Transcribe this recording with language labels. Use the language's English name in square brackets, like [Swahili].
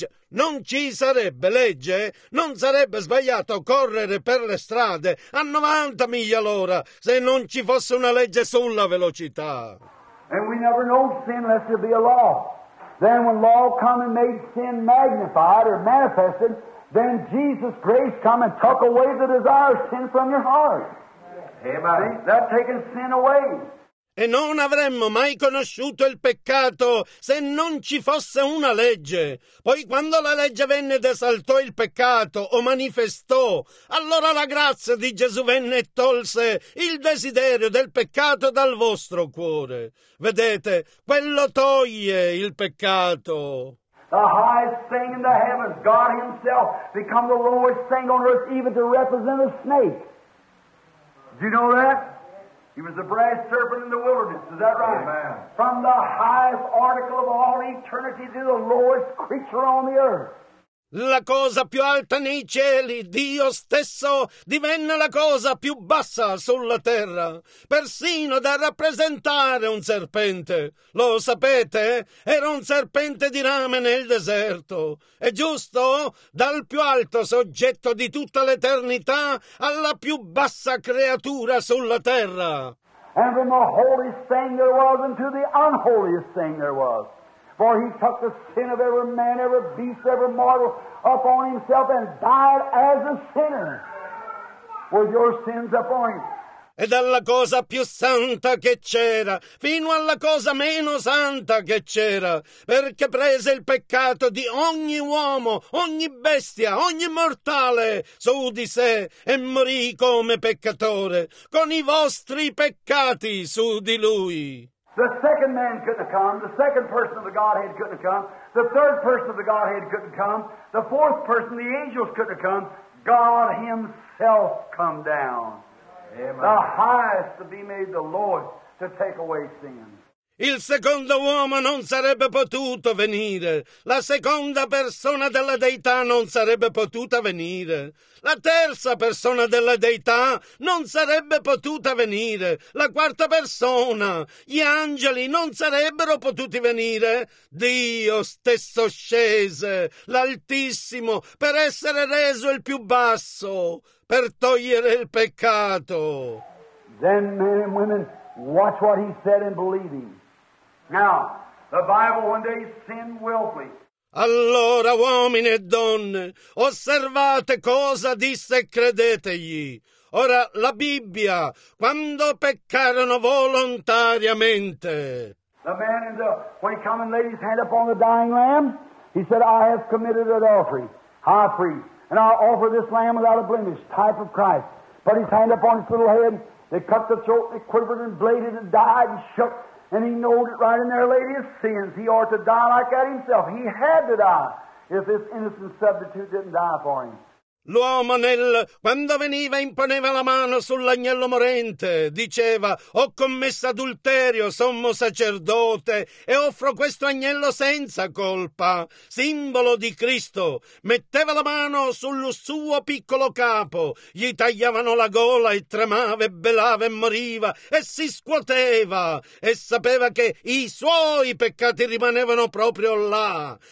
[Italian] Non ci sarebbe legge, non sarebbe sbagliato correre per le strade a 90 miglia all'ora se non ci fosse una legge sulla velocità. [English] And we never know sin unless there be a law. Then when law come and made sin magnified or manifested, then Jesus' grace come and took away the desire of sin from your heart. Amen. That taking sin away. [Italian] E non avremmo mai conosciuto il peccato se non ci fosse una legge. Poi quando la legge venne ed esaltò il peccato o manifestò, allora la grazia di Gesù venne e tolse il desiderio del peccato dal vostro cuore. Vedete, quello toglie il peccato. [English] The highest thing in the heavens, God himself, become the lowest thing on earth, even to represent a snake. Do you know that? He was a brass serpent in the wilderness, is that right? Amen. From the highest article of all eternity to the lowest creature on the earth. [Italian] La cosa più alta nei cieli, Dio stesso, divenne la cosa più bassa sulla terra, persino da rappresentare un serpente. Lo sapete? Era un serpente di rame nel deserto. È giusto? Dal più alto soggetto di tutta l'eternità alla più bassa creatura sulla terra. [English] And from the holiest thing there was unto the unholiest thing there was. For he took the sin of every man, every beast, every mortal upon himself and died as a sinner with your sins upon him. [Italian] E dalla cosa più santa che c'era, fino alla cosa meno santa che c'era, perché prese il peccato di ogni uomo, ogni bestia, ogni mortale su di sé e morì come peccatore, con i vostri peccati su di lui. [English] The second man couldn't have come, the second person of the Godhead couldn't have come, the third person of the Godhead couldn't have come, the fourth person, the angels couldn't have come, God himself come down. Amen. The highest to be made the Lord to take away sin. [Italian] Il secondo uomo non sarebbe potuto venire. La seconda persona della Deità non sarebbe potuta venire. La terza persona della Deità non sarebbe potuta venire. La quarta persona, gli angeli non sarebbero potuti venire. Dio stesso scese, l'Altissimo, per essere reso il più basso, per togliere il peccato. [English] Then men and women, watch what he said and believe him. Now, the Bible one day sinned willfully. [Italian] Allora, uomini e donne, osservate cosa disse e credetegli. Ora, la Bibbia, quando peccarono volontariamente. [English] The man in the, when he come and laid his hand upon the dying lamb, he said, I have committed adultery, high priest, and I offer this lamb without a blemish, type of Christ. Put his hand upon his little head, they cut the throat, they quivered and bladed and died and shook. And he knowed it right in there, laid his sins. He ought to die like that himself. He had to die if this innocent substitute didn't die for him. [Italian] L'uomo nel, quando veniva, imponeva la mano sull'agnello morente, diceva, ho commesso adulterio, sommo sacerdote, e offro questo agnello senza colpa, simbolo di Cristo. Metteva la mano sul suo piccolo capo, gli tagliavano la gola e tremava e belava e moriva, e si scuoteva, e sapeva che i suoi peccati rimanevano proprio là.